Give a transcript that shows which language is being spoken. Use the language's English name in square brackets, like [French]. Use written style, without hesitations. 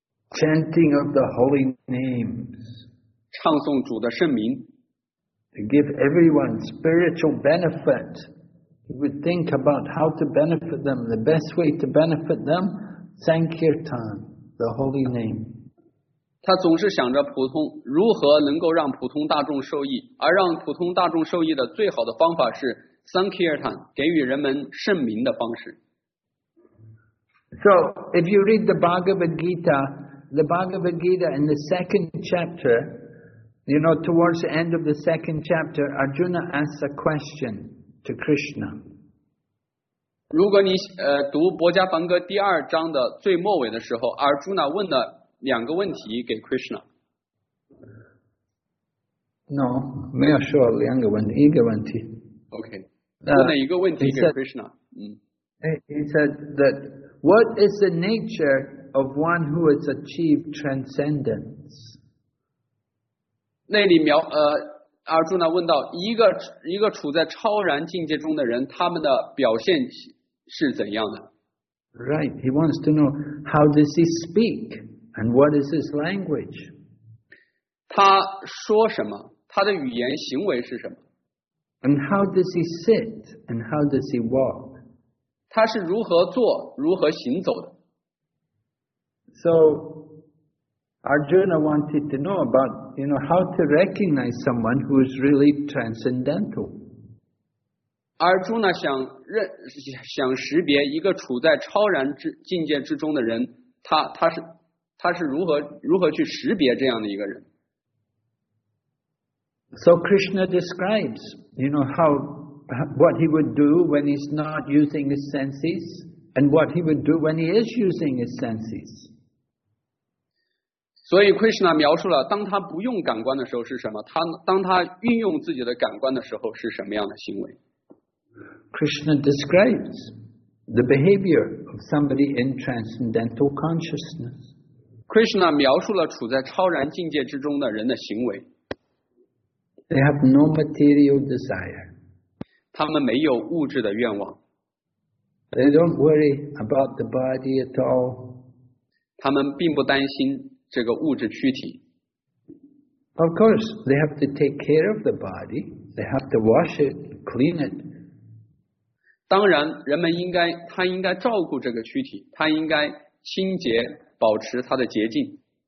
[English] Chanting of the holy names. [Chinese] 唱诵主的圣名。 [English] To give everyone spiritual benefit. He would think about how to benefit them, the best way to benefit them, Sankirtan, the holy name. [Chinese] 他总是想着普通，如何能够让普通大众受益，而让普通大众受益的最好的方法是 Sankirtan, 给予人们圣名的方式。 [English] So, if you read the Bhagavad Gita in the second chapter, you know, towards the end of the second chapter, Arjuna asks a question. To Krishna. [Chinese] 如果你读博迦梵歌第二章的最末尾的时候，阿尔朱纳问了两个问题给 Krishna。 No, 没有说两个问题，一个问题。 Okay. 问了一个问题给 Krishna。 [English] He said that what is the nature of one who has achieved transcendence? [Chinese] 那里描阿朱呢问到一个处在超然境界中的人，他们的表现是怎样的 [English] ？Right, he wants to know how does he speak and what is his language. [Chinese] 他说什么？他的语言行为是什么 [English] ？And how does he sit and how does he walk? [Chinese] 他是如何坐，如何行走的 [English] ？So. Arjuna wanted to know about, you know, how to recognize someone who is really transcendental. [Chinese] Arjuna 想识别一个处在超然之境界之中的人，他是如何去识别这样的一个人。 [English] So Krishna describes, you know, how what he would do when he's not using his senses, and what he would do when he is using his senses. [Chinese] 所以 Krishna 描述了当他不用感官的时候是什么，当他运用自己的感官的时候是什么样的行为。 [English] Krishna describes the behavior of somebody in transcendental consciousness. [Chinese] Krishna 描述了处在超然境界之中的人的行为。 [English] They have no material desire. [Chinese] 他们没有物质的愿望。 [English] They don't worry about the body at all. [Chinese] 他们并不担心这个物质躯体。 [English] Of course, they have to take care of the body. They have to wash it, clean it. [Chinese] 当然，人们应该照顾这个躯体，他应该清洁，保持它的洁净。